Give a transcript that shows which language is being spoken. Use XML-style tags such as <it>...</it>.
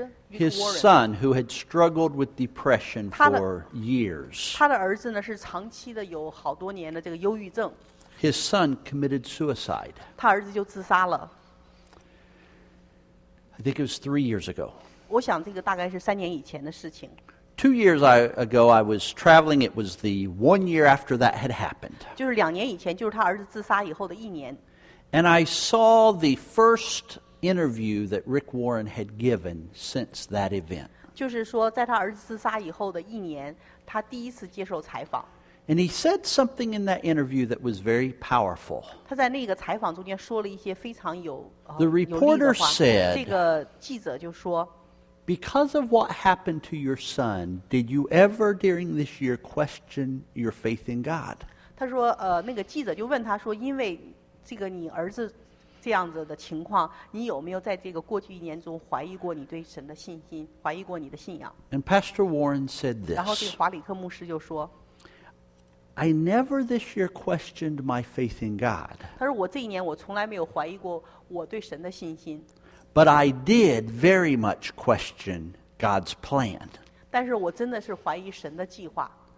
<en>His son, who had struggled with depression for years,</en> <zh>他的儿子呢, 是长期的有好多年的这个忧郁症。</zh> <en>His son committed suicide.</en> <zh>他儿子就自杀了。</zh> <en>I think it was 3 years ago.</en> <zh>我想这个大概是三年以前的事情。</zh> <en>2 years ago, I was traveling. It was the 1 year after that had happened.</en> <zh>就是两年以前, 就是他儿子自杀以后的一年。</zh> <en>And I saw the first interview that Rick Warren had given since that event.</en> <zh>就是说在他儿子自杀以后的一年, 他第一次接受采访。</zh> <en>And he said something in that interview that was very powerful.</en> <zh>他在那个采访中间说了一些非常有,</zh> <en>the reporter</en> <zh>有力的话,</zh> <en>said,</en> <zh>这个记者就说,</zh> <en>because of what happened to your son, did you ever during this year question your faith in God?</en> <zh>他说, 那个记者就问他说, 因为这个你儿子 这样子的情况，你有没有在这个过去一年中怀疑过你对神的信心，怀疑过你的信仰？</zh> <en>And Pastor Warren said this.</en> <zh>然后这个华里克牧师就说，</zh> <en>I never this year questioned my faith in God.</en> <zh>他说我这一年我从来没有怀疑过我对神的信心。</zh> <en>But I did very much question God's plan.</en> <zh>但是我真的是怀疑神的计划。</zh>